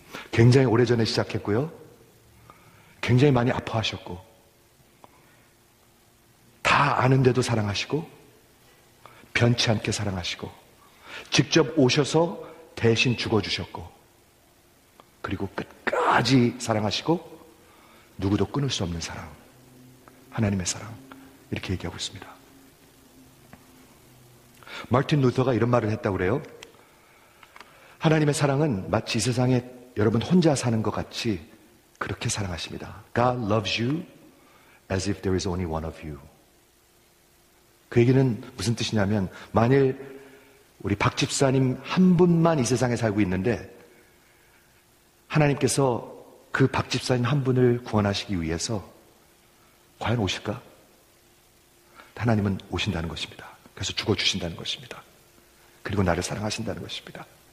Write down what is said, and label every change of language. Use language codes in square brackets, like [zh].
[ko] 굉장히 오래전에 시작했고요. 굉장히 많이 아파하셨고 다 아는데도 사랑하시고 변치 않게 사랑하시고 직접 오셔서 대신 죽어주셨고 그리고 끝까지 사랑하시고 누구도 끊을 수 없는 사랑, 하나님의 사랑, 이렇게 얘기하고 있습니다. 마틴 루터가 이런 말을 했다고 그래요. 하나님의 사랑은 마치 이 세상에 여러분 혼자 사는 것 같이 그렇게 사랑하십니다. [en] God loves you as if there is only one of you. [ko] 그 얘기는 무슨 뜻이냐면 만일 우리 박 집사님 한 분만 이 세상에 살고 있는데 하나님께서 그 박 집사님 한 분을 구원하시기 위해서 과연 오실까? 하나님은 오신다는 것입니다. 그래서 죽어주신다는 것입니다. 그리고 나를 사랑하신다는 것입니다.